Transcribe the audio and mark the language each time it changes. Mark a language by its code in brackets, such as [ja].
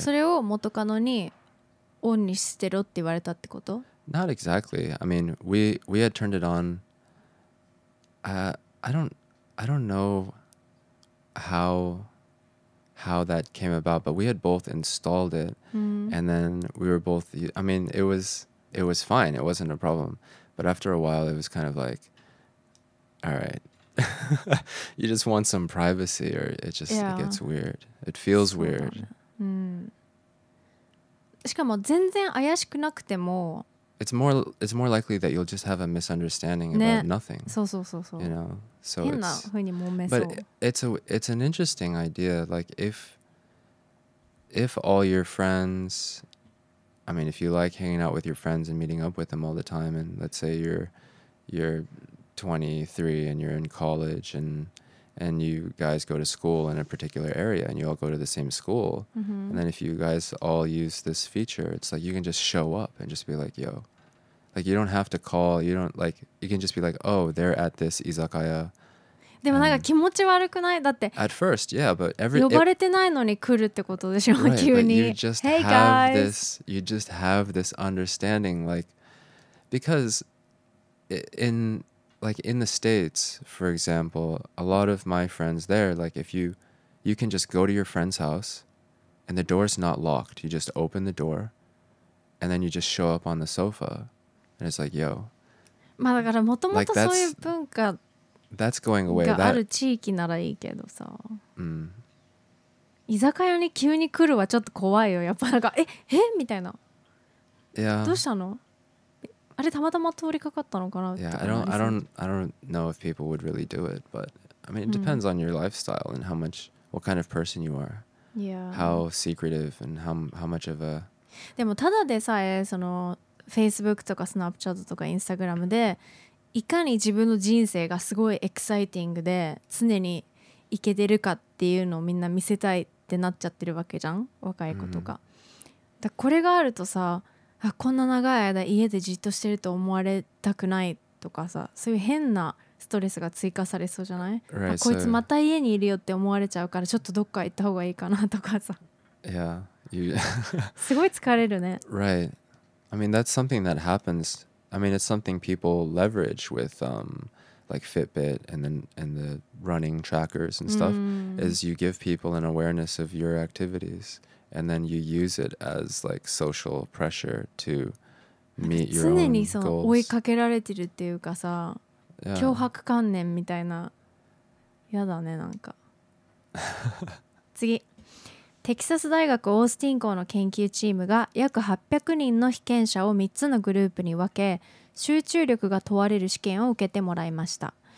[ja] それを元カノにオンにしてろって言われたってこと？ [en] Not exactly. I mean, we had turned it on. I don't know how that came about, but we had both installed it, and then we were both. I mean, it was fine. It wasn't a problem. But after a while, it was kind of like, all right, you just want some privacy, or it just it gets weird. It feels weird. [ja] しかも全然怪しくなくても。 [en] It's more likely that you'll just have a misunderstanding about nothing. [ja] そうそうそうそう。 [en] You know, so it's [ja] 変な風に揉めそう。 [en] But it's an interesting idea. Like if all your friends, I mean, if you like hanging out with your friends and meeting up with them all the time, and let's say you're 23 and you're in college and you guys go to school in a particular area and you all go to the same school, and then if you guys all use this feature, it's like you can just show up and just be like, yo, like you don't have to call, you don't like, you can just be like, oh, they're at this izakaya. [ja] でもなんか気持ち悪くない？だって [en] at first, yeah, but every [ja] 呼ばれてないのに来るってことでしょ？ [en] right, [ja] 急に [en] you just hey have guys this, you just have this understanding, like because in the States, for example, a lot of my friends there, like if you can just go to your friend's house and the door's not locked, you just open the door and then you just show up on the sofa and it's like, yo. [ja] まあだからもともとそういう文化 [en] that's going away. [ja] がある地域ならいいけどさ。うん。居酒屋に急に来るはちょっと怖いよ。やっぱなんか、え、え？みたいな。 [en] Yeah. [ja] どうしたの？あれたまたま通りかかったのかなって [en] Yeah, I don't know if people would really do it, but I mean, it depends on your lifestyle and how much, what kind of person you are. Yeah. How secretive and how much of a... [ja] でもただでさえその Facebook とか Snapchat とか Instagram でいかに自分の人生がすごいエキサイティングで常にイケてるかっていうのをみんな見せたいってなっちゃってるわけじゃん、若い子とか。だからこれがあるとさ、あ、こんな長い間家でじっとしてると思われたくないとかさ、そういう変なストレスが追加されそうじゃない、 [en] right. [ja] こいつまた家にいるよって思われちゃうからちょっとどっか行った方がいいかなとかさ、 [en] yeah. you... [ja] すごい疲れるね。 [en] Right. I mean, that's something that happens. I mean, it's something people leverage with、like Fitbit and the running trackers and stuff、is you give people an awareness of your activities and then you use it as like social pressure to meet your own goals. [ja] 常にその追いかけられてるっていうかさ、 [en] yeah. [ja] 脅迫観念みたいな、やだねなんか。次、テキサス大学オースティン校の研究チームが約800人の被験者を3つのグループに分け、集中力が問われる試験を受けてもらいました。